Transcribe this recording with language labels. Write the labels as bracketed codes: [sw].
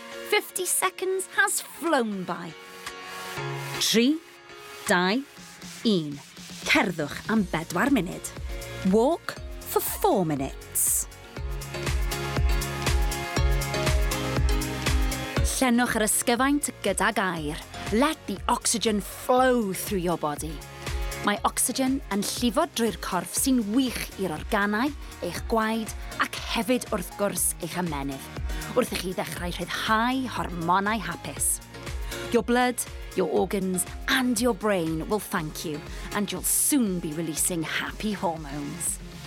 [en] 50 seconds has flown by. 3, 2, 1. [cy] Cerddwch am 4 munud. [en] Walk for 4 minutes. [cy] Llenwch yr ysgyfaint gyda'r air. [en] Let the oxygen flow through your body. [cy] Mae oxygen yn llifo drwy'r corff sy'n wych i'r organau, eich gwaed ac hefyd wrth gwrs eich ymennydd. Wrth I chi ddechrau rhyddhau hormonau hapus. [en] Your blood, your organs and your brain will thank you and you'll soon be releasing happy hormones.